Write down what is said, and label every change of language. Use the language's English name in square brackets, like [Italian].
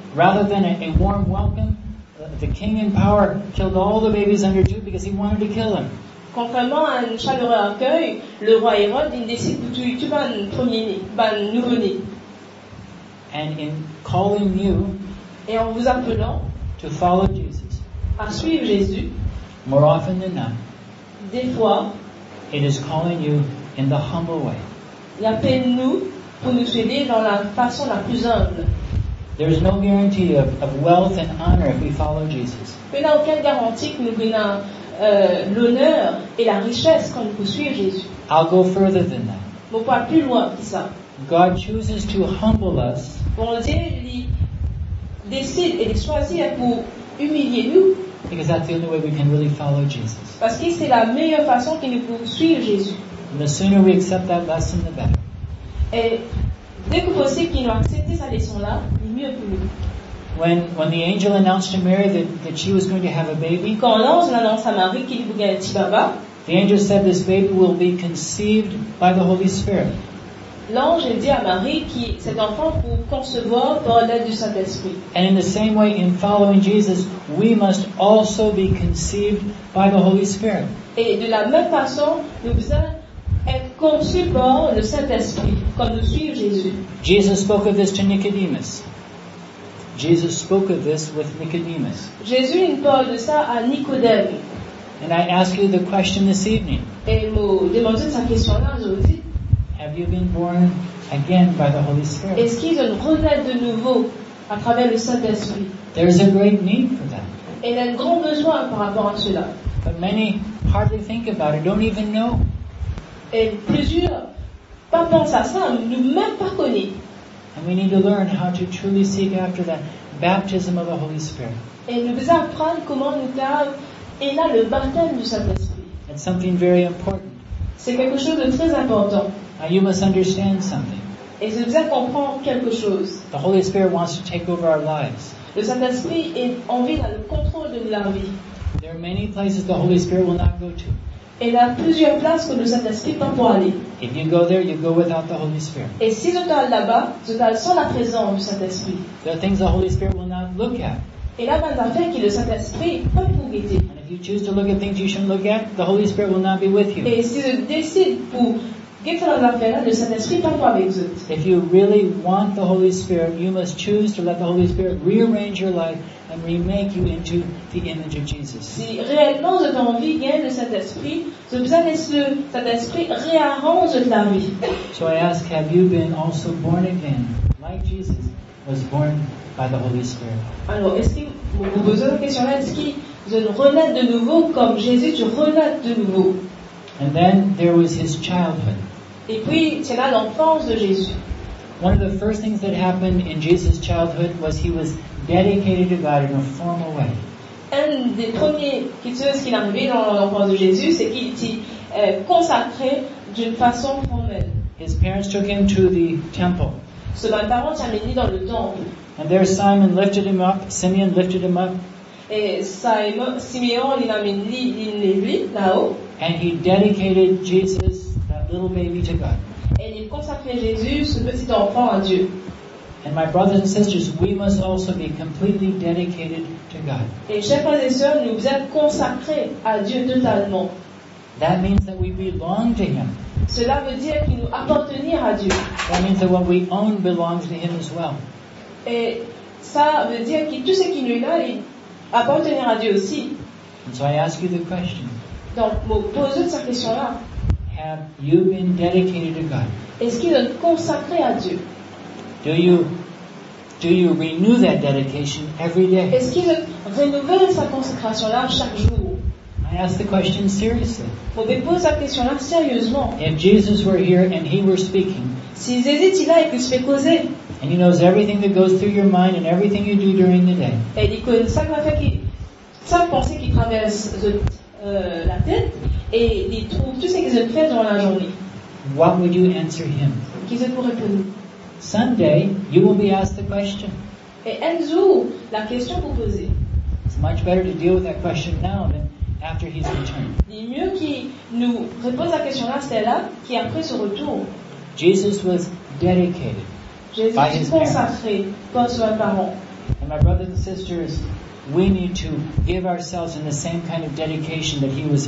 [English] Rather than a warm welcome, the king in power killed all the babies under two because he wanted to kill them. [French] Contrairement à un chaleureux accueil, le roi Hérode, il décide de tuer tout un premier-né, un nouveau-né. [English] And in calling you, [French] et en vous appelant [English] to follow Jesus, [French] à suivre Jésus, [English] more often than not, [French] des fois, [English] it is calling you in the humble way. [French] Il appelle nous pour nous suivre dans la façon la plus humble. [English] There is no guarantee of wealth and honor if we follow Jesus. [French] Il n'y a aucune garantie que nous venons l'honneur et la richesse quand nous poursuivons Jésus. [English] I'll go further than that. [French] Mais pas plus loin que ça. [English] God chooses to humble us. [French] Bon Dieu, il décide et il choisit pour humilier nous. [English] Because that's the only way we can really follow Jesus. [French] Parce que c'est la meilleure façon que nous pouvons suivre Jésus. [English] And the sooner we accept that lesson, the better. [French] Et dès que vous savez qu'il a accepté cette leçon-là, il est mieux pour nous. [English] When the angel announced to Mary that she was going to have a baby, [French] quand l'ange l'annonce à Marie qu'il voulait un petit baba, [English] the angel said this baby will be conceived by the Holy Spirit. [French] L'ange dit à Marie que cet enfant pour concevoir par l'aide du Saint-Esprit. [English] And in the same way, in following Jesus, we must also be conceived by the Holy Spirit. [French] Et de la même façon, nous devons être conçus par le Saint-Esprit quand nous suivons Jésus. [English] Jesus spoke of this to Nicodemus. Jesus spoke of this with Nicodemus. [French] Jésus parle de ça à Nicodème. [English] And I ask you the question this evening. [French] Et vous demandez cette question là aujourd'hui. [English] Have you been born again by the Holy Spirit? [French] Est-ce qu'ils ont renaît de nouveau à travers le Saint-Esprit? [English] There is a great need for that. [French] Et il y a un grand besoin par rapport à cela. [English] But many hardly think about it, don't even know. [French] Et plusieurs pas pensent à ça, nous même pas connaît. [English] And we need to learn how to truly seek after that baptism of the Holy Spirit. [French] Et nous devons apprendre comment nous faire et là le baptême du Saint-Esprit. [English] It's something very important. [French] C'est quelque chose de très important. [English] Now you must understand something. [French] Et nous devons comprendre quelque chose. [English] The Holy Spirit wants to take over our lives. [French] Le Saint-Esprit a envie d'avoir le contrôle de la vie. [English] There are many places the Holy Spirit will not go to. [French] Et il y a plusieurs places que le Saint-Esprit n'a pas aller. [English] If you go there, you go without the Holy Spirit. [French] Et si vous êtes là-bas, vous êtes sans la présence du Saint-Esprit. [English] There are things the Holy Spirit will not look at. [French] Et là, il y a des affaires que le Saint-Esprit ne peut pas regarder. [English] And if you choose to look at things you shouldn't look at, the Holy Spirit will not be with you. [French] Et si vous décidez pour regarder les affaires, le Saint-Esprit n'est pas avec vous. [English] If you really want the Holy Spirit, you must choose to let the Holy Spirit rearrange your life and remake you into the image of Jesus. [French] Si réellement vous avez envie gain de cet esprit, vous avez besoin que cet esprit réarrange la vie. [English] So I ask, have you been also born again, like Jesus was born by the Holy Spirit? [French] Alors, est-ce que vous vous posez la question, est-ce que vous renaissez de nouveau comme Jésus, tu renaisses de nouveau? [English] And then there was his childhood. [French] Et puis, c'est là l'enfance de Jésus. [English] One of the first things that happened in Jesus' childhood was he was dedicated to God in a formal way. [French] Un des premiers choses qui est arrivé dans l'enfance de Jésus, c'est qu'il était consacré d'une façon formelle. [English] His parents took him to the temple. [French] Ses parents l'ont amené dans le temple. [English] And there Simon lifted him up, Simeon lifted him up. [French] Et Simeon l'a amené, il l'a vu là-haut. [English] And he dedicated Jesus, that little baby, to God. [French] Et il consacré Jésus, ce petit enfant, à Dieu. [English] And my brothers and sisters, we must also be completely dedicated to God. [French] Et chers frères et sœurs, nous vous êtes consacrés à Dieu totalement. [English] That means that we belong to Him. [French] Cela veut dire qu'il nous appartient à Dieu. [English] That means that what we own belongs to Him as well. [French] Et ça veut dire que tout ce qui nous est là, il appartient à Dieu aussi. [English] And so I ask you the question. [French] Donc, vous posez cette question-là. [English] Have you been dedicated to God? [French] Est-ce qu'il est consacré à Dieu? [English] Do you renew that dedication every day? [French] Est-ce qu'il renouvelle sa consécration là chaque jour? [English] I ask the question seriously. [French] Vous pouvez poser cette question là sérieusement. [English] If Jesus were here and he were speaking, [French] si Jésus était là et qu'il se fait causer, [English] and he knows everything that goes through your mind and everything you do during the day, [French] et il connaît chaque affaire qui, chaque pensée qui traverse la tête, et il trouve tout ce qu'il fait dans la journée. [English] what would you answer him? [French] Qu'est-ce que vous répondez? [English] Someday, you will be asked the question. [French] Et un jour, la question vous posez. [English] It's much better to deal with that question now than after he's returned. [French] Il est mieux qu'il nous repose la question là, c'est là, qui après son retour. [English] Jesus was dedicated by his parents. [French] Jésus est consacré par ses parents. [English] And my brothers and sisters, we need to give ourselves in the same kind of dedication that he was